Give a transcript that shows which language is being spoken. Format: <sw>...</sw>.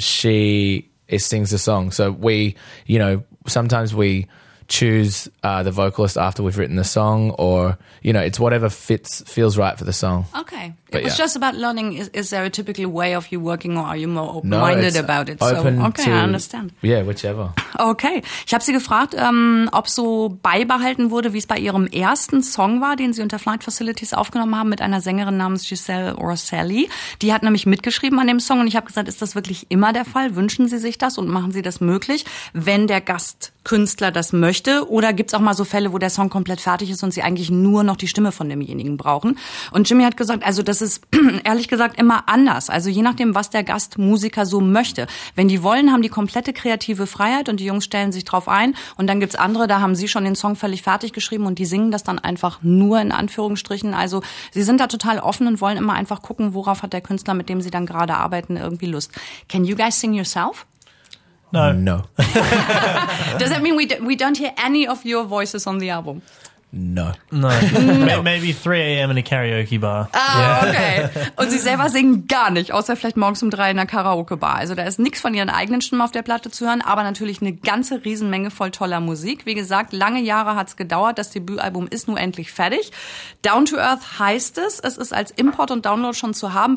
<en>She sings the song. So we, you know, sometimes we choose the vocalist after we've written the song, or, you know, it's whatever feels right for the song. Okay. But it was just about learning. Is there a typical way of you working, or are you more open-minded about it? I understand. Yeah, whichever. Okay.</en> <de>Ich habe sie gefragt, ob so beibehalten wurde, wie es bei ihrem ersten Song war, den sie unter Flight Facilities aufgenommen haben, mit einer Sängerin namens Giselle Rosselli. Die hat nämlich mitgeschrieben an dem Song, und ich habe gesagt, ist das wirklich immer der Fall? Wünschen Sie sich das und machen Sie das möglich, wenn der Gastkünstler das möchte? Oder gibt es auch mal so Fälle, wo der Song komplett fertig ist und Sie eigentlich nur noch die Stimme von demjenigen brauchen? Und Jimmy hat gesagt, also das ist ehrlich gesagt immer anders. Also je nachdem, was der Gastmusiker so möchte. Wenn die wollen, haben die komplette kreative Freiheit und die Jungs stellen sich drauf ein. Und dann gibt's andere, da haben sie schon den Song völlig fertig geschrieben und die singen das dann einfach nur in Anführungsstrichen. Also sie sind da total offen und wollen immer einfach gucken, worauf hat der Künstler, mit dem sie dann gerade arbeiten, irgendwie Lust.</de> <en>Can you guys sing yourself? No. No. Does that mean we don't hear any of your voices on the album? No. Maybe 3 a.m. in a karaoke bar. Ah, okay.</en> <de>Und sie selber singen gar nicht, außer vielleicht morgens um 3 in einer karaoke bar. Also da ist nichts von ihren eigenen Stimmen auf der Platte zu hören, aber natürlich eine ganze Riesenmenge voll toller Musik. Wie gesagt, lange Jahre hat es gedauert, das Debütalbum ist nun endlich fertig. Down to Earth heißt es. Es ist als Import und Download schon zu haben.</de>